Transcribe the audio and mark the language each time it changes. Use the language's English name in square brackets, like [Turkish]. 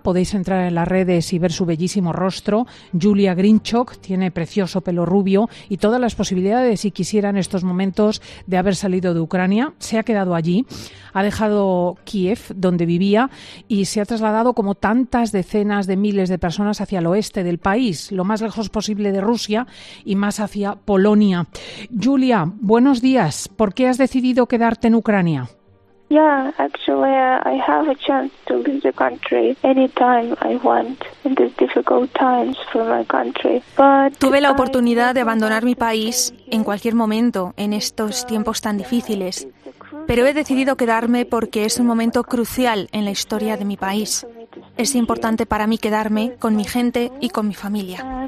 [Spanish] Podéis entrar en las redes y ver su bellísimo rostro. Julia Grinchuk tiene precioso pelo rubio y todas las posibilidades, si quisiera en estos momentos, de haber salido de Ucrania. Se ha quedado allí, ha dejado Kiev, donde vivía, y se ha trasladado como tantas decenas de miles de personas hacia el oeste del país, lo más lejos posible de Rusia y más hacia Polonia. Julia, buenos días. ¿Por qué has decidido quedarte en Ucrania? [English] Yeah, actually, I have a chance to leave the country anytime I want in these difficult times for my country. But [Spanish] tuve la oportunidad de abandonar mi país en cualquier momento en estos tiempos tan difíciles, pero he decidido quedarme porque es un momento crucial en la historia de mi país. Es importante para mí quedarme con mi gente y con mi familia.